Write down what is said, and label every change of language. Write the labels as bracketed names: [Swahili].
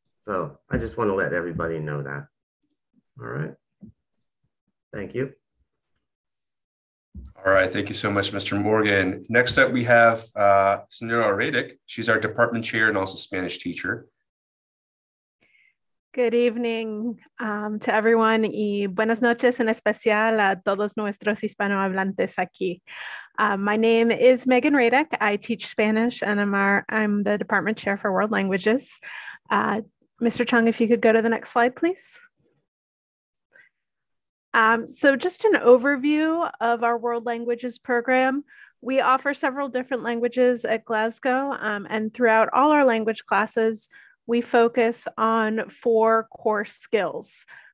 [English] So I just want to let everybody know that. All right. Thank you. All right. Thank you so much, Mr. Morgan. Next up, we have Senora Radic. She's our department chair and also Spanish teacher. Good evening to everyone, [Spanish] y buenas noches en especial a todos nuestros hispanohablantes aquí. [English] My name is Megan Radic. I teach Spanish, and I'm the department chair for World Languages. Mr. Chung, if you could go to the next slide, please. So just an overview of our World Languages program. We offer several different languages at Glasgow, and throughout all our language classes, we focus on four core skills.